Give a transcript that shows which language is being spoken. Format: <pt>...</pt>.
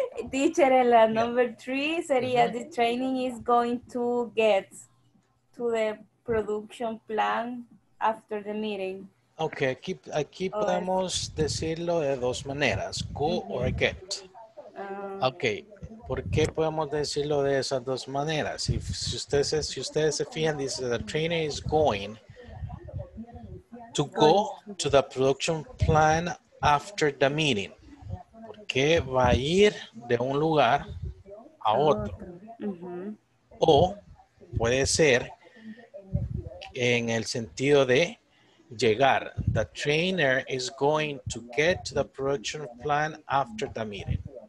<en>Teacher,</en> <es>en la</es> <en>number 3</en> <es>sería,</es> <en>the training is going to get to the production plan after the meeting.</en> <es>Ok, aquí podemos decirlo de dos maneras, go or get. Ok. ¿Por qué podemos decirlo de esas dos maneras? Si ustedes se fijan, dice,</es> <en>the trainer is going to go to the production plan after the meeting.</en> <es>¿Por qué va a ir de un lugar a otro? O puede ser en el sentido de llegar.</es> <en>The trainer is going to get to the production plan after the meeting.</en>